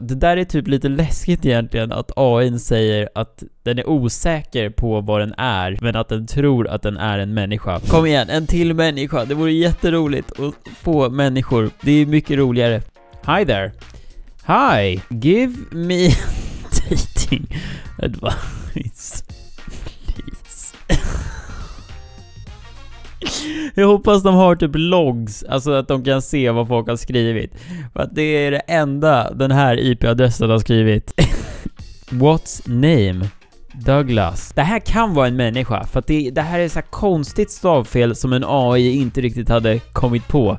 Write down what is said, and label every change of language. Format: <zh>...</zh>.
<sv>Det där är typ lite läskigt egentligen, att AI säger att den är osäker på vad den är, men att den tror att den är en människa. Kom igen, en till människa. Det vore jätteroligt att få människor. Det är mycket roligare.</sv> <en>Hi there. Hi, give me dating advice, please.</en> <sv>Jag hoppas de har typ logs, alltså att de kan se vad folk har skrivit. För att det är det enda den här IP-adressen har skrivit.</sv> <en>What's name?</en> <sv>Douglas. Det här kan vara en människa, för att det här är så här konstigt stavfel som en AI inte riktigt hade kommit på.</sv>